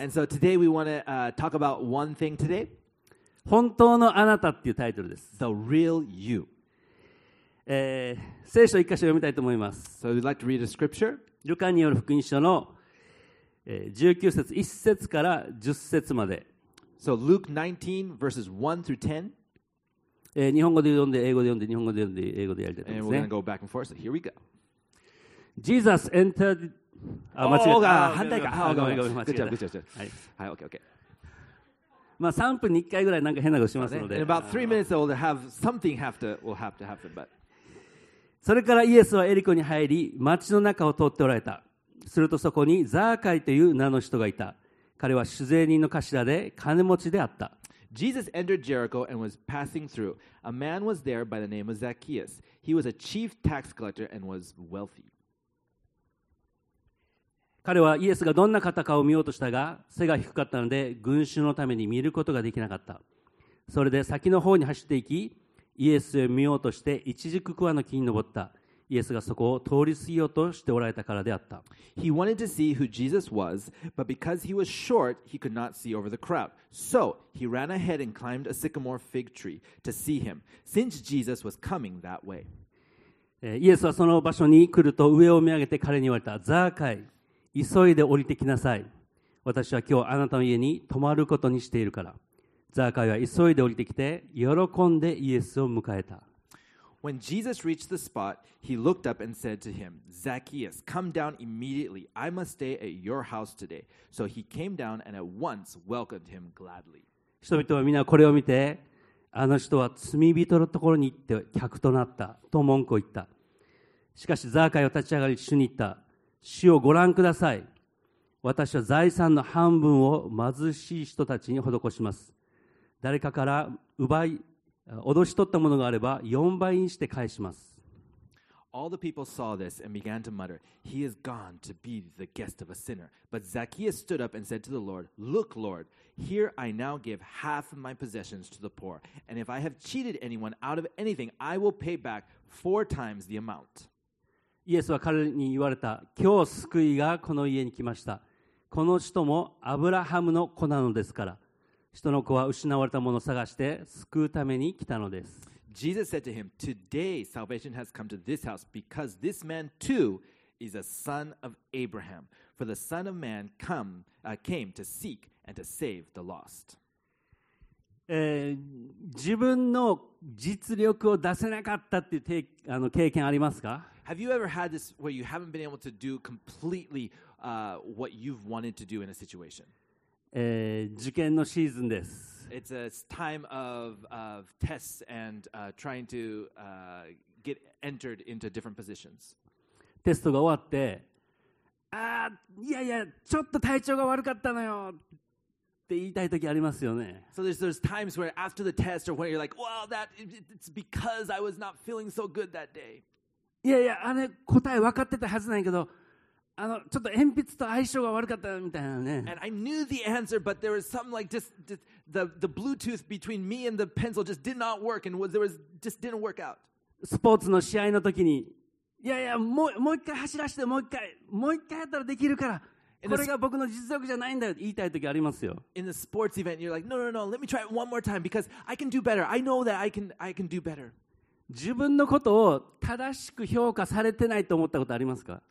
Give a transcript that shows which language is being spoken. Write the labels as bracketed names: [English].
[English] And so today we want to talk about one thing today. [Japanese] 本当のあなたっていうタイトルです。 [English] The real you. [Japanese] 聖書一箇所読みたいと思います。 [English] So we'd like to read a scripture. [Japanese] ルカによる福音書の19節1節から10節まで。 [English] So Luke 19 verses 1 through 10. [Japanese] 日本語で読んで英語で読んで日本語で読んで英語でやりたいですね。 [English] And we're gonna go back and forth. So here we go. Jesus entered. Oh, [Japanese] 反対か。 [English] Good job. [Japanese] まあ3分に1回ぐらいなんか変なことしますので。 [English] In about 3 minutes, we'll have something will have to happen. But [Japanese] それからイエスはエリコに入り、町の中を通っておられた。するとそこにザーカイという名の人がいた。彼は酒税人の頭で金持ちであった。 [English] Jesus entered Jericho and was passing through. A man was there by the name of Zacchaeus. He was a chief tax collector and was wealthy. [Japanese] 彼はイエスがどんな方かを見ようとしたが、背が低かったので群衆のために見ることができなかった。それで先の方に走っていき、イエスを見ようとして一軸桑の木に登った。イエスがそこを通り過ぎようとしておられたからであった。 [English] He wanted to see who Jesus was, but because he was short, he could not see over the crowd. So he ran ahead and climbed a sycamore fig tree to see him, since Jesus was coming that way. [Japanese] イエスはその場所に来ると上を見上げて彼に言われた。ザーカイ、急いで降りてきなさい。私は今日あなたの家に泊まることにしているから。ザーカイは急いで降りてきて、喜んでイエスを迎えた。 [English] When Jesus reached the spot, he looked up and said to him, Zacchaeus, come down immediately. I must stay at your house today. So he came down and at once welcomed him gladly. [Japanese] 人々はみんなこれを見て、あの人は罪人のところに行って客となったと文句を言った。しかしザーカイを立ち上がり主に言った。主をご覧ください。私は財産の半分を貧しい人たちに施します。誰かから奪い、脅し取ったものがあれば4倍にして返します。 [English] All the people saw this and began to mutter, He is gone to be the guest of a sinner. But Zacchaeus stood up and said to the Lord, Look, Lord, here I now give half of my possessions to the poor, and if I have cheated anyone out of anything, I will pay back four times the amount. [Japanese] イエスは彼に言われた、今日救いがこの家に来ました。この人もアブラハムの子なのですから、人の子は失われたものを探して救うために来たのです。 [English] Jesus said to him, Today salvation has come to this house because this man too is a son of Abraham. For the Son of Man came to seek and to save the lost. [Japanese] 自分の実力を出せなかったっていう経験ありますか? [English] Have you ever had this where you haven't been able to do completely what you've wanted to do in a situation? [Japanese] 受験のシーズンです。 [English] It's a time of tests and trying to get entered into different positions. [Japanese] テストが終わって、いやいや、ちょっと体調が悪かったのよって言いたい時ありますよね。 [English] So there's times where after the test or when you're like, well, it's because I was not feeling so good that day. [Japanese] いやいや、あれ答え分かってたはずなんやけど、ちょっと鉛筆と相性が悪かったみたいなね。 [English] And I knew the answer, but there was something like just the Bluetooth between me and the pencil just did not work, and there was just didn't work out. [Japanese] スポーツの試合の時に、いやいや、もう一回走らせて、もう一回やったらできるから、これが僕の実力じゃないんだよ、言いたい時ありますよ。 [English] In the sports event, you're like, no, let me try it one more time because I can do better. I know that I can do better. [Japanese] 自分のことを正しく評価されてないと思ったことありますか?